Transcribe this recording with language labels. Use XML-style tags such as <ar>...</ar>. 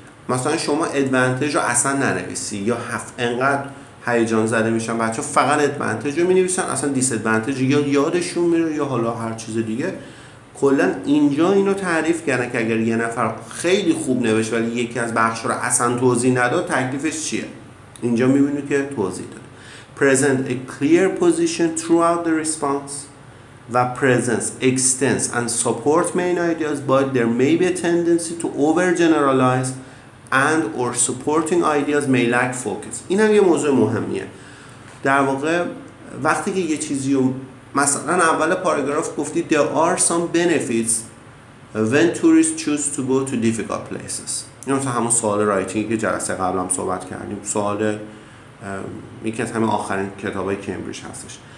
<fa>مثلا شما advantage رو اصلا ننویسی، یا انقدر هیجان زده میشن بچه فقط advantage رو مینویسن، اصلا disadvantage یا یادشون میره یا حالا هر چیز دیگه. کلن اینجا اینو تعریف کردن که اگر یه نفر خیلی خوب نوشت ولی یکی از بخش رو اصلا توضیح نداد، تکلیفش چیه. اینجا میبینید که توضیح داد.</fa> <en>Present a clear position throughout the response و presence, extends and support main ideas, but there may be a tendency to overgeneralize and or supporting ideas may lack focus.</en> <fa>این هم یه موضوع مهمیه. در واقع وقتی که یه چیزی رو مثلا اول پاراگراف گفتی</fa> <en>there are some benefits when tourists choose to go to difficult places،</en> <fa>این مثلا همون سوال رایتینگی که جلسه قبل هم صحبت کردیم، سوال یکی از همه آخرین کتاب های کمبریج هستش.</fa>